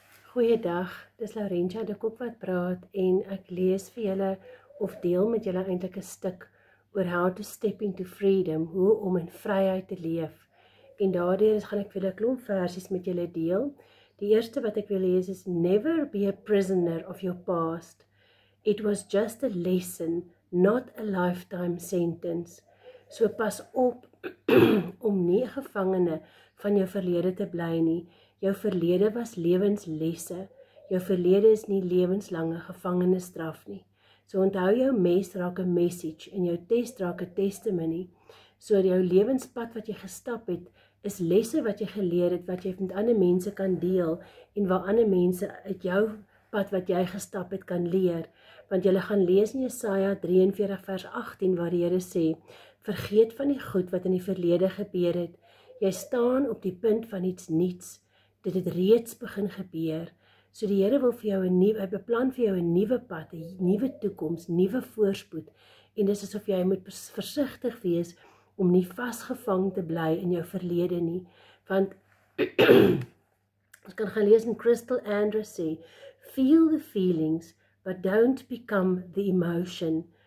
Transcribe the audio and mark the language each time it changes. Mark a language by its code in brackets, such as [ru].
[af] Goeiedag, dis Laurentia de Kok wat praat en ek lees vir julle of deel met julle eintlik 'n stuk oor [en] how to step into freedom, [af] hoe om in vryheid te leef. En daardeur gaan ek vir julle 'n klomp versies met julle deel. Die eerste wat ek wil lees is [en] never be a prisoner of your past. It was just a lesson, not a lifetime sentence. [af] So pas op om nie gevangene van jou verlede te bly nie. Jou verlede was lewenslesse. Jou verlede is nie lewenslange gevangenisstraf nie. So onthou jou mes raak 'n message en jou test raak 'n testimony. So jou lewenspad wat jy gestap het, is lesse wat jy geleer het wat jy met ander mense kan deel en waar ander mense uit jou pad wat jy gestap het kan leer. Want jy gaan lees in Jesaja 43 vers 18 waar die Here sê: "Vergeet van die goed wat in die verlede gebeur het. Jy staan op die punt van iets nuuts." Dit het reeds begin gebeur. So die Here wil vir jou 'n nuwe, hy beplan vir jou 'n nuwe pad, 'n nuwe toekoms, nuwe voorspoed. En dis asof jy moet versigtig wees om nie vasgevang te bly in jou verlede nie, want ons kan gaan lees in Crystal Andrews sê, [en] "Feel the feelings, but don't become the emotion.